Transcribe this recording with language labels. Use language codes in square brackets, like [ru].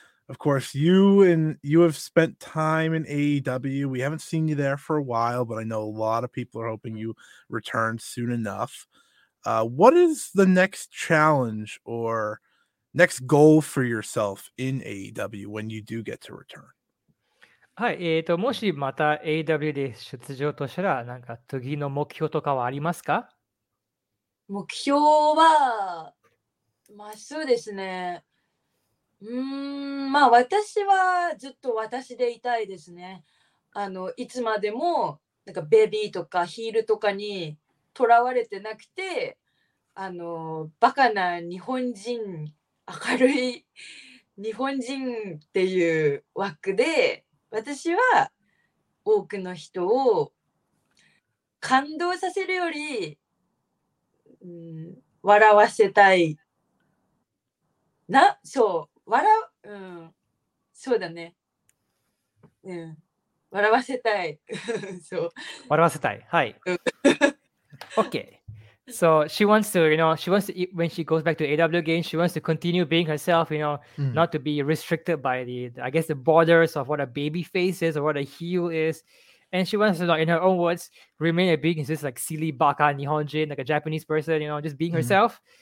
[en] Of course, you have spent time in AEW. We haven't seen you there for a while, but I know a lot of people are hoping you return soon enough. What is the next challenge or next goal for yourself in AEW when you do get to return? [ja] はい、もしまた AW で出場としたら、なんか次の目標とかはありますか？目標は、まあそうですね。まあ私はずっと私でいたいですね。あの、いつまでも、なんかベビーとかヒールとかにとらわれてなくて、あのバカな日本人、明るい日本人っていう枠で、私は多くの人を感動させるより、うん、笑わせたいな、そう、笑う、うん、そうだね、うん、笑わせたい、そう、笑わせたい、はい、OK。 [en] So she wants to, you know, she wants to, when she goes back to AW again, she wants to continue being herself, you know, not to be restricted by the, I guess, the borders of what a baby face is or what a heel is. And she wants to, like, in her own words, remain a being, just like silly [ja] baka nihonjin, [en] like a Japanese person, you know, just being herself.